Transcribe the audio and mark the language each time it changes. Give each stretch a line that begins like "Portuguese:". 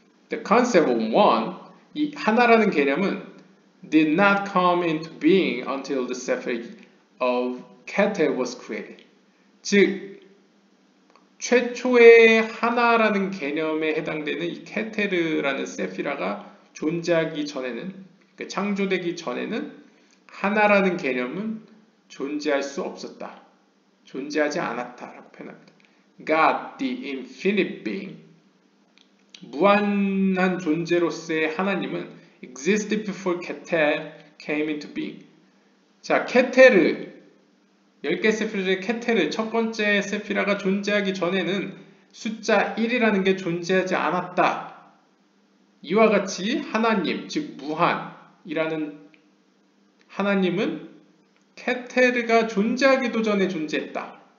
English: The concept of one,
Korean: 이 하나라는 개념은
English: did not come into being until the Sefer of Keter was created.
Korean: 즉, 최초의 하나라는 개념에 해당되는 이 케테르라는 세피라가 존재하기 전에는, 그러니까 창조되기 전에는 하나라는 개념은 존재할 수 없었다. 존재하지 않았다라고 표현합니다.
English: God, the infinite being,
Korean: 무한한 존재로서의 하나님은
English: existed before Keter came into being.
Korean: 자, 케테르, 10개 세피라의 케테르, 첫 번째 세피라가 존재하기 전에는 숫자 1이라는 게 존재하지 않았다. 이와 같이 하나님, 즉 무한이라는 하나님은 케테르가 존재하기도 전에 존재했다.